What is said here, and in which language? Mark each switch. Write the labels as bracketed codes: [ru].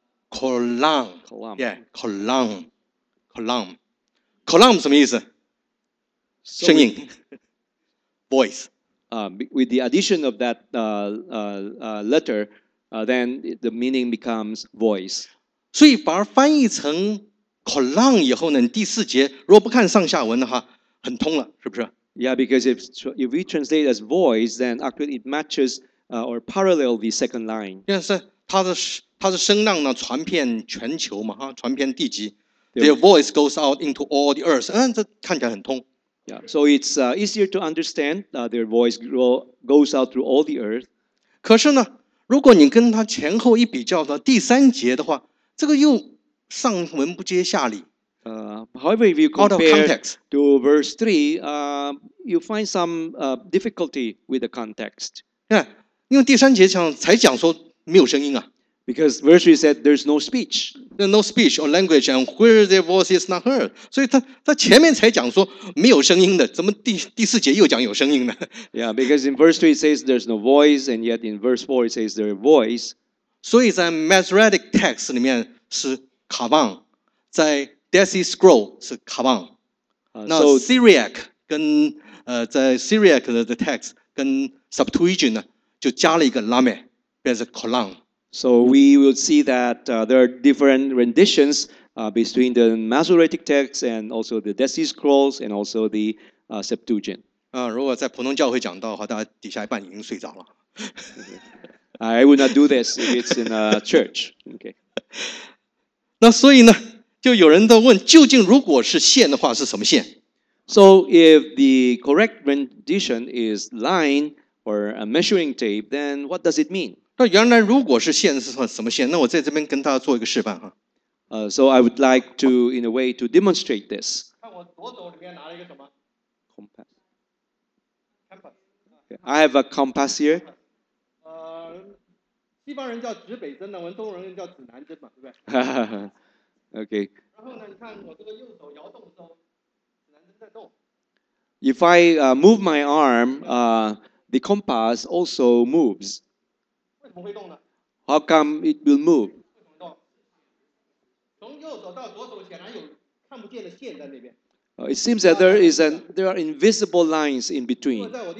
[en] Column. Column. Yeah, column. Column. Column [zh] 什么意思? 声音, [en] voice. With the addition of that letter, then the meaning becomes voice. [zh] 所以把它翻译成 column 以后呢, 第四节, 如果不看上下文的话, 很通了, 是不是? [en] Yeah, because if we translate as voice, then actually it matches or parallel the second line. [zh] Yes, 它的声浪呢, 传遍全球嘛, 哈, 传遍地极, [en] their voice goes out into all the earth. [zh] 这看起来很通。 [en] Yeah, so it's easier to understand their voice goes out through all the earth. [zh] 可是呢, 如果你跟它前后一比较到第三节的话, 这个又上文不接下理。 [en] However, if you compare to verse 3, you find some difficulty with the context. [zh] Yeah, 因为第三节才讲说没有声音啊。 [en] Because verse 3 said there's no speech. No speech or language, and where their voice is not heard. [zh] 所以他前面才讲说没有声音的, 怎么第四节又讲有声音呢? [en] Yeah, because in verse 3 it says there's no voice, and yet in verse 4 it says there's a voice. [zh] 所以在 Masoretic Text里面, 是卡邦, 在 Dead Scroll 是卡邦, 那 Syriac 跟 在 Syriac 的 text 跟 Septuagint 呢, 就加了一个 lame, 变成 column. [en] So we will see that there are different renditions between the Masoretic text and also the Dead Sea Scrolls and also the Septuagint. [zh] 如果在普通教会讲到的话, 大家底下一半已经睡着了。 [en] I would not do this if it's in a church. Okay. [zh] 那所以呢, 就有人都问, 究竟如果是线的话, 是什么线? [en] So if the correct rendition is line or a measuring tape, then what does it mean? [zh] 那原来如果是线是什么线?那我在这边跟大家做一个示范哈。 [en] So I would like to, in a way, to demonstrate this. [zh] 看我左手里面拿了一个什么? [en] Compass. Okay, I have a compass here. [zh] 西方人叫指北针呢，我们东人叫指南针嘛，对不对？ [en] Okay. [zh] 然后呢，你看我这个右手摇动的时候，指南针在动。 [en] If I move my arm, the compass also moves. [zh] 怎么会动呢? [en] How come it will move? [zh] 从右手到左手显然有看不见的线在那边。 [en] It seems that there is an there are invisible lines in between.